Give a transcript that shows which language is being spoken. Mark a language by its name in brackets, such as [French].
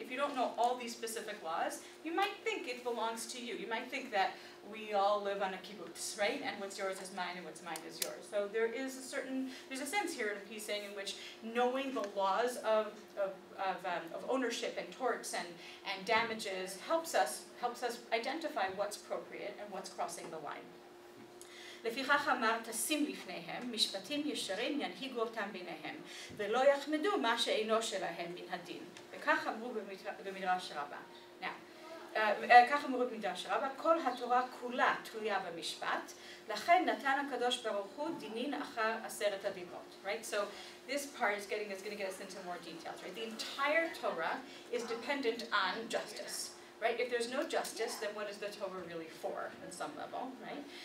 [English] If you don't know all these specific laws, you might think it belongs to you. You might think that we all live on a kibbutz, right? And what's yours is mine and what's mine is yours. So there's a sense here, he's saying, in which knowing the laws of ownership and torts and damages helps us identify what's appropriate and what's crossing the line. [Hebrew] לפיכך אמר תשים לפניהם משפטים ישרים ינהיגו אותם ביניהם ולא יחמדו מה שאינו שלהם מן הדין. וכך אמרו במדרש רבה. כך אמרו במדרש רבה, כל התורה כולה תלויה במשפט, לכן נתן הקדוש ברוך הוא דינין אחר עשרת הדיברות. [English] Right? So this part is going to get us into more details. Right? The entire Torah is dependent on justice. Right? If there's no justice, then what is the Torah really for at some level? Right?